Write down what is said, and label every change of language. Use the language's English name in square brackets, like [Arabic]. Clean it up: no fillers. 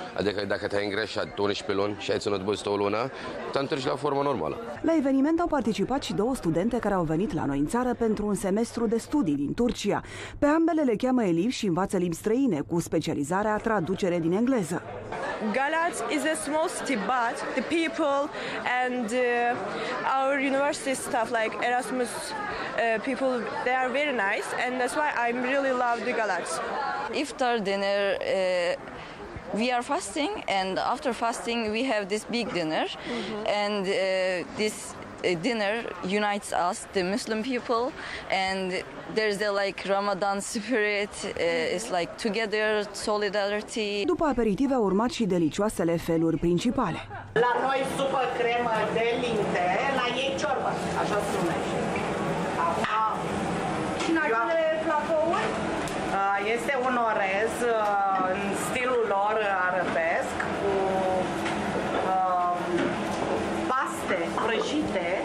[Romanian] Adică dacă te-ai îngreșat 12 luni și ai ținut bostă o lună, te întorci la forma normală. La eveniment au participat și două studente care au venit la noi în țară pentru un semestru de studii din Turcia. Pe ambele le cheamă elevi și învață limbi străine cu specializarea traducere din engleză. [English] Galați is a small city, but the people and our university staff, like Erasmus people, they are very nice, and that's why I really love the Galați. Iftar dinner, we are fasting, and after fasting we have this big dinner, and this dinner unites us, the Muslim people, and there's a like Ramadan spirit, it's like together, solidarity. [Romanian] După aperitive au urmat și delicioasele feluri principale. La noi supă cremă de linte, la ei ciorbă, așa se numește. Și în acele platouri? Este un orez în stilul lor arabesc cu paste prăjite.